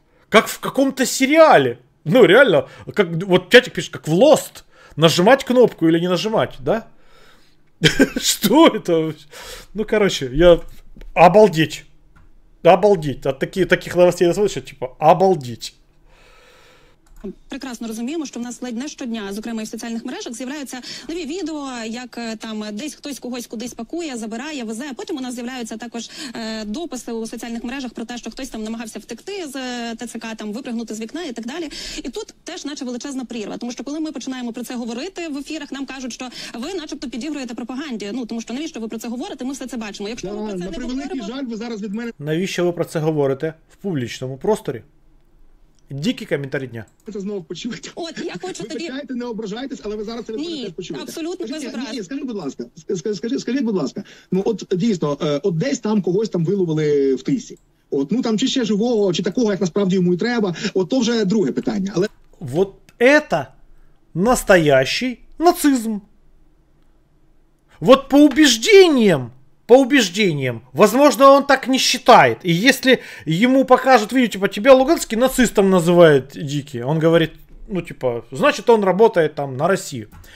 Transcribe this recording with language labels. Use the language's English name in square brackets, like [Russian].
[Russian] Как в каком-то сериале. Ну, реально. Как, вот чатик пишет, как в Lost. Нажимать кнопку или не нажимать, да? Что это? Ну, короче, я... Обалдеть. Обалдеть. От таких новостей я слышу, типа, обалдеть. [Ukrainian] Прекрасно розуміємо, що в нас ледь не щодня, зокрема, і в соціальних мережах з'являються нові відео, як там десь хтось когось кудись пакує, забирає, везе. Потім у нас з'являються також дописи у соціальних мережах про те, що хтось там намагався втекти з ТЦК, там випригнути з вікна і так далі. І тут теж наче величезна прірва. Тому що коли ми починаємо про це говорити в ефірах, нам кажуть, що ви начебто підігруєте пропаганді. Ну тому що навіщо ви про це говорите? Ми все це бачимо. Якщо ви про це не говорите, жаль, ви зараз від мене. Навіщо ви про це говорите в публічному просторі? [Russian] Дикий коментарий дня. Это снова почувствовать. [Ukrainian] От, я хочу тобі... Ви питаєте, не ображайтесь, але ви зараз це не почуєте. Абсолютно без образ. Скажи, будь ласка, скажіть, будь ласка, ну от дійсно, от десь там когось там виловили в тисі. От, ну там чи ще живого, чи такого, як насправді йому і треба, от то вже друге питання. Але... [Russian] Вот это настоящий нацизм. Вот по убеждениям, возможно, он так не считает. И если ему покажут видео, типа, тебя Луганский нацистом называет, Дикий, он говорит, ну, типа, значит, он работает там на Россию.